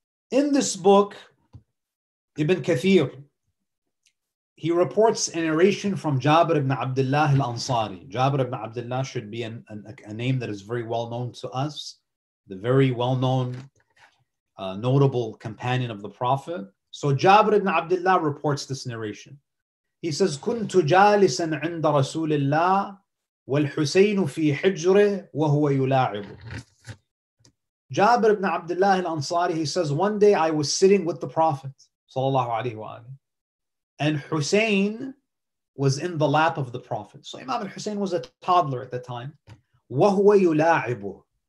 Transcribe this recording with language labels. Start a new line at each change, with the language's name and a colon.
English: In this book, Ibn Kathir, he reports a narration from Jabir ibn Abdullah al-Ansari. Jabir ibn Abdullah should be a name that is very well-known to us, the very well-known, notable companion of the Prophet. So Jabir ibn Abdullah reports this narration. He says,
Arabic: كنت جالسا عند رسول الله والحسين في حجره وهو يلاعب.
English: Jabir ibn Abdullah al-Ansari, he says, one day I was sitting with the Prophet
Arabic: sallallahu alaihi wa alihi,
English: and Hussein was in the lap of the Prophet. So Imam al-Hussein was a toddler at the time.
Arabic: وهو يلاعب.